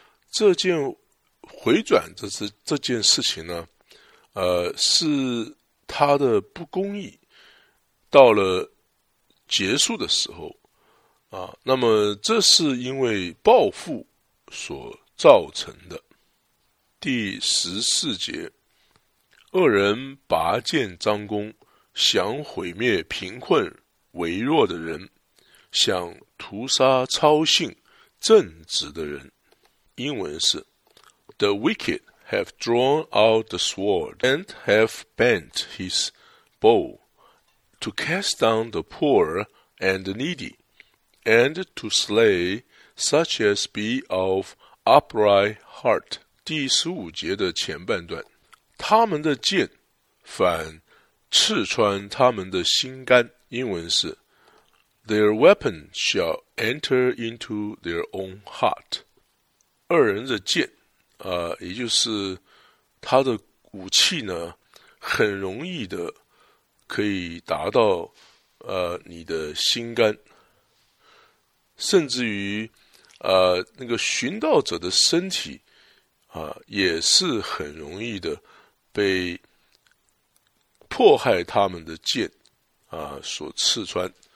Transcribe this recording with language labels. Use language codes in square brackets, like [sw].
[zh] 这件回转的 这件事情呢，是他的不公义到了结束的时候啊，那么这是因为报复所造成的。第14节，恶人拔剑张弓，想毁灭贫困微弱的人，想屠杀超信正直的人。英文是 [en] The wicked have drawn out the sword and have bent his bow to cast down the poor and the needy, and to slay such as be of upright heart. [zh] 第十五节的前半段，他们的剑反刺穿他们的心肝，英文是 [en] Their weapon shall enter into their own heart。 [zh] 二人的剑也就是他的武器呢，很容易的可以达到你的心肝，甚至于那个寻道者的身体也是很容易的被迫害他们的剑所刺穿。